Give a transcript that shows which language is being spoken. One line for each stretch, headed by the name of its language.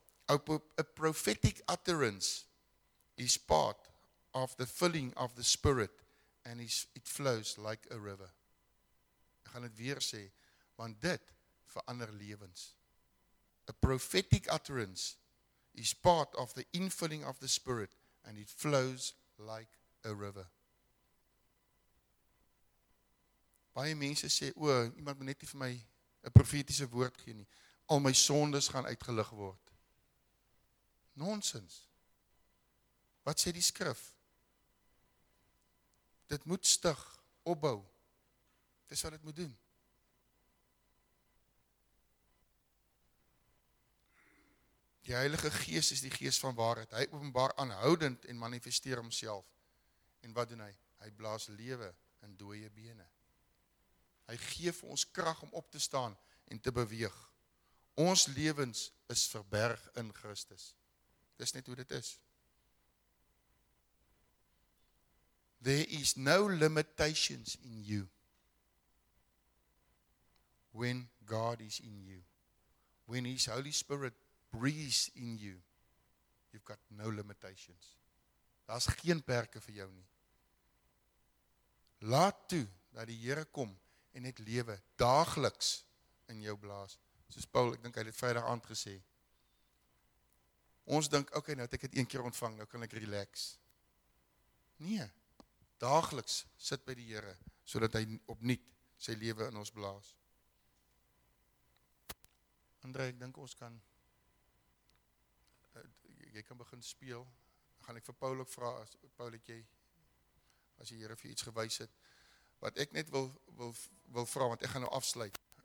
English: A prophetic utterance is part of the filling of the spirit and it flows like a river.
Afrikaans: Ek gaan dit weer sê, want dit verander lewens.
English: A prophetic utterance is part of the infilling of the spirit and it flows like a river.
Afrikaans: Baie mense sê, o, iemand moet net nie vir my 'n profetiese woord gee nie. Al my sondes gaan uitgelig word. Nonsens. Wat sê die skrif? Dit moet stig, opbou. Dis wat dit moet doen. Die Heilige Gees is die Gees van waarheid. Hy openbaar aanhoudend en manifesteer homself. En wat doen hy? Hy blaas lewe in dooie bene. Hy gee vir ons krag om op te staan en te beweeg. Ons lewens is verberg in Christus. Dis net hoe dit is.
English: There is no limitations in you. When God is in you. When His Holy Spirit breathes in you. you've got no limitations.
Afrikaans: Daar's geen perke vir jou nie. Laat toe dat die Here kom en net lewe daagliks in jou blaas. Soos Paul, ek dink hy het dit Vrydag aand gesê. Ons dink, okay, nou het ek dit een keer ontvang, nou kan ek relax. Nee. Daagliks sit by die Here sodat hy opnuut sy lewe in ons blaas. Andre, ek dink ons kan jy kan begin speel. Gaan ek vir Paul ook vra as Paul het jy as die Here vir iets gewys het wat ek net wil vra want ek gaan nou afsluit.